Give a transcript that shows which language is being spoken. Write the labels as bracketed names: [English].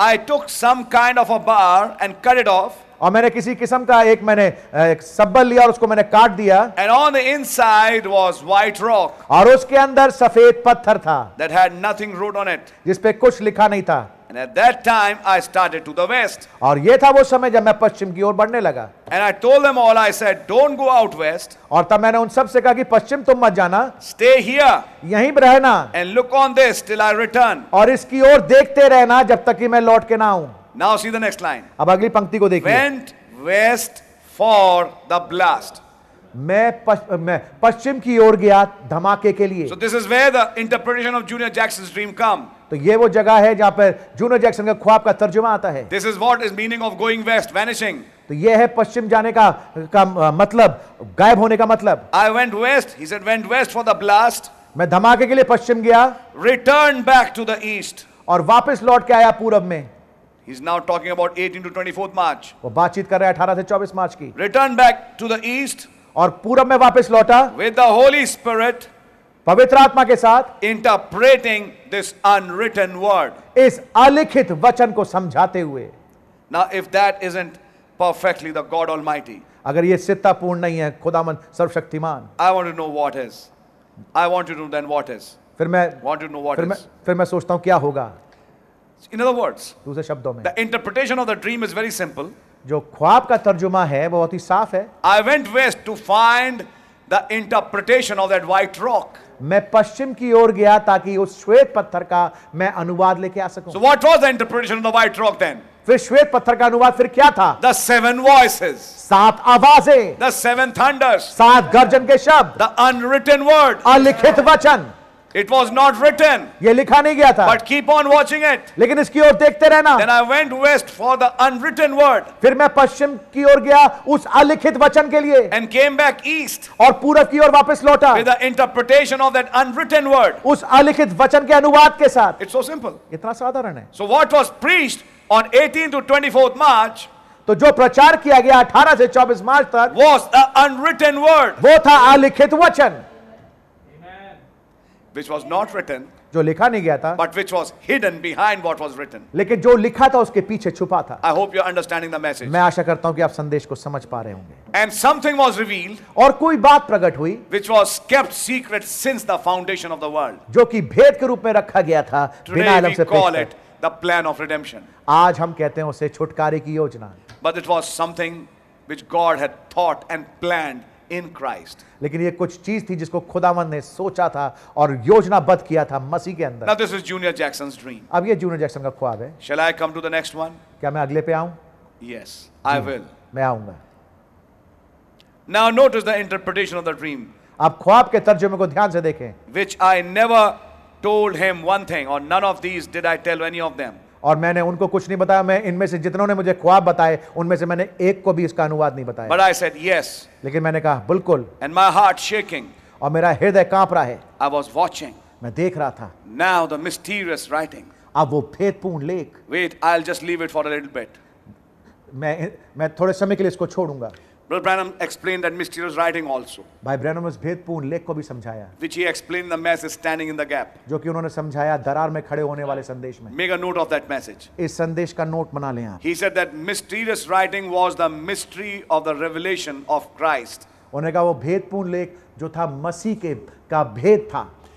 [English] I took some kind of a bar and cut it off. [Hindi] और मैंने किसी किस्म का एक मैंने एक सब्बल लिया और उसको मैंने काट दिया. [English] And on the inside was white rock. [Hindi] और उसके अंदर सफेद पत्थर था. [English] That had nothing wrote on it. [Hindi] जिस पे कुछ लिखा नहीं था. [English] And at that time I started to the west. [Hindi] और ये था वो समय जब मैं पश्चिम की ओर बढ़ने लगा. [English] And I told them all, I said, don't go out west. [Hindi] और तब मैंने उन सब से कहा कि पश्चिम तुम मत जाना. [English] Stay here. [Hindi] यहीं रहना. [English] And look on this till I return. [Hindi] और इसकी ओर देखते रहना जब तक कि मैं लौट के ना आऊं. [English] Now see the next line. [Hindi] अब अगली पंक्ति को देखिए. [English] Went west for the blast. [Hindi] मैं पश्चिम की ओर गया धमाके के लिए. [English] So this is where the interpretation of Junior Jackson's dream come. [Hindi] तो ये वो जगह है जहाँ पर जूनियर जैक्सन के ख्वाब का तर्जुमा आता है. [English] This is what is meaning of going west, vanishing. [Hindi] तो ये है पश्चिम जाने का मतलब, गायब होने का मतलब. [English] I went west. He said, went west for the blast. [Hindi] मैं धमाके के लिए पश्चिम गया. [English] Returned back to the east. [Hindi] और वापस लौट के आया पूरब में. [English] He's now talking about 18 to 24th March. [Hindi] वो बातचीत कर रहा है 18 से 24 मार्च की. [English] Return back to the east. [Hindi] और पूरब में वापस लौटा. [English] With the Holy Spirit. [Hindi] पवित्र आत्मा के साथ. [English] Interpreting this unwritten word. [Hindi] इस अलिखित वचन को समझाते हुए. [English] Now if that isn't perfectly the God Almighty. [Hindi] अगर ये सत्ता पूर्ण नहीं है खुदामन सर्वशक्तिमान. [English] I want to know what is. I want to know then what is. [Hindi] फिर मैं. [English] Want to know what [Hindi] फिर [English] is. [Hindi] फिर मैं सोचता हूँ क्या होगा. [English] In other words, [Hindi] दूसरे शब्दों में, [English] the interpretation of the dream is very simple. [Hindi] जो ख्वाब का तर्जुमा है वो बहुत ही साफ है. [English] I went west to find the interpretation of that white rock. [Hindi] मैं पश्चिम की ओर गया ताकि उस श्वेत पत्थर का मैं अनुवाद लेके आ सकूं. [English] So what was the interpretation of the white rock then? [Hindi] फिर श्वेत पत्थर का अनुवाद फिर क्या था? [English] The seven voices. [Hindi] सात आवाजें. [English] The seven thunders. [Hindi] सात गर्जन के शब्द. [English] The unwritten word. [Hindi] अलिखित वचन. [English] It was not written. [Hindi] ये लिखा नहीं गया था. [English] But keep on watching it. [Hindi] लेकिन इसकी ओर देखते रहना. [English] Then I went west for the unwritten word. [Hindi] फिर मैं पश्चिम की ओर गया उस अलिखित वचन के लिए. [English] And came back east. [Hindi] और पूरब की ओर वापस लौटा. [English] With the interpretation of that unwritten word. [Hindi] उस अलिखित वचन के अनुवाद के साथ. [English] It's so simple. [Hindi] इतना साधारण है. [English] So what was preached on 18th to 24th March? [Hindi] तो जो प्रचार किया गया 18 से 24 मार्च तक. [English] Was the unwritten word. [Hindi] वो था अलिखित वचन. [English] Which was not written, [Hindi] जो लिखा नहीं गया था, [English] but which was hidden behind what was written. [Hindi] लेकिन जो लिखा था उसके पीछे छुपा था. [English] I hope you're understanding the message. [Hindi] मैं आशा करता हूँ कि आप संदेश को समझ पा रहे होंगे. [English] And something was revealed, [Hindi] और कोई बात प्रकट हुई, [English] which was kept secret since the foundation of the world. [Hindi] जो कि भेद के रूप में रखा गया था, बिना आलम से पेश कर. [English] Today we call it the plan of redemption. [Hindi] आज हम कहते हैं उसे छुटकारे की योजना. [English] But it was something which God had thought and planned. In Christ. [Hindi] लेकिन ये कुछ चीज थी जिसको खुदावन ने सोचा था और योजनाबद्ध किया था मसीह के अंदर. [English] Now this is Junior Jackson's dream. [Hindi] अब ये जूनियर जैक्सन का ख्वाब है. [English] Shall I come to the next one? [Hindi] क्या मैं अगले पे आऊं? [English] Yes, I will. [Hindi] मैं आऊंगा. [English] Now notice the interpretation of the dream. [Hindi] आप ख्वाब के तर्जुमे को ध्यान से देखें. [English] Which I never told him one thing, or none of these did I tell any of them. [Hindi] और मैंने उनको कुछ नहीं बताया. मैं इनमें से जितनों ने मुझे ख्वाब बताए उनमें से मैंने एक को भी इसका अनुवाद नहीं बताया. [English] But I said yes. [Hindi] लेकिन मैंने कहा बिल्कुल. [English] And my heart shaking. [Hindi] और मेरा हृदय कांप रहा है. [English] I was watching. [Hindi] मैं देख रहा था. [English] Now the mysterious writing. [Hindi] अब वो भेदपूर्ण लेख. [English] Wait, I'll just leave it for a little bit. [Hindi] मैं थोड़े समय के लिए इसको छोड़ूंगा. [English] Brother Branham explained that mysterious writing also. [Hindi] भाई ब्रैनम उस भेदपूर्ण लेख को भी समझाया. [English] Which he explained the message standing in the gap. [Hindi] जो कि उन्होंने समझाया दरार में खड़े होने वाले संदेश में. [English] Make a note of that message. [Hindi] इस संदेश का नोट बना लें आप. [English] He said that mysterious writing was the mystery of the revelation of Christ. [Hindi] उन्होंने कहा वो भेदपूर्ण लेख जो था मसीह के का भेद था.